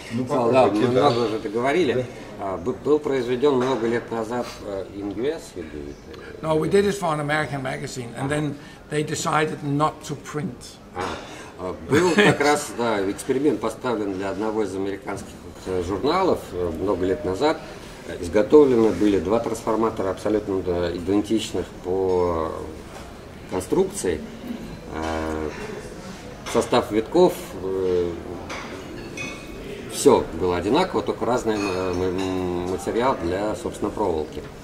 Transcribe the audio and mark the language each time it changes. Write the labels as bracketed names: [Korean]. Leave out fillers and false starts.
[Russian] Да, мы много уже это говорили. Был произведен много лет назад ингвест. [English] No, we did it for an American magazine, and then they decided not to print. [Russian] Был как раз, да, эксперимент поставлен для одного из американских журналов много лет назад. Изготовлены были два трансформатора абсолютно идентичных по конструкции. Состав витков, все было одинаково, только разный материал для, собственно, проволоки.